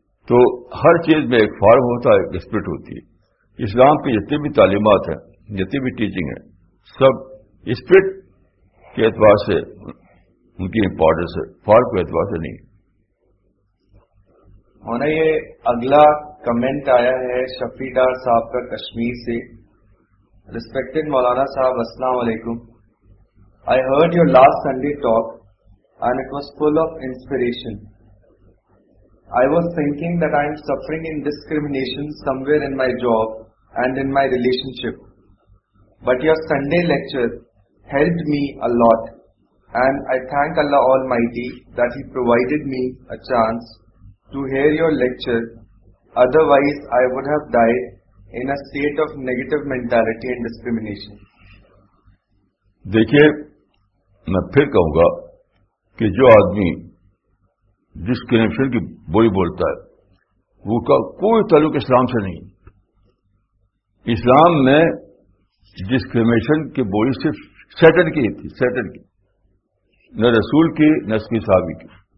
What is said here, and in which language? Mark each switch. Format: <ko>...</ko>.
<ur>تو ہر چیز میں ایک فارم ہوتا ہے، ایک اسپرٹ ہوتی ہے. اسلام کی جتنی بھی تعلیمات ہیں، جتنی بھی ٹیچنگ ہیں، سب اسپرٹ کے اعتبار سے ان کی امپورٹنس ہے، فارم کے اعتبار سے نہیں. مولانا یہ اگلا کمنٹ آیا ہے شفیع ڈار صاحب کا کشمیر سے. ریسپیکٹڈ مولانا صاحب السلام علیکم.</ur> <en>I heard your last Sunday talk and it was full of inspiration. I was thinking that I am suffering in discrimination somewhere in my job and in my relationship. But your Sunday lecture helped me a lot and I thank Allah Almighty that He provided me a chance to hear your lecture. Otherwise, I would have died in a state of negative mentality and discrimination.</en> <ur>دیکھیے میں پھر کہوں گا کہ جو آدمی discrimination کی بولی بولتا ہے وہ کا کوئی تعلق اسلام سے نہیں. اسلام میں ڈسکریمنیشن کی بولی صرف سیٹن کی تھی، سیٹن کی، نہ رسول کی نہ اس کی صحابی کی.</ur>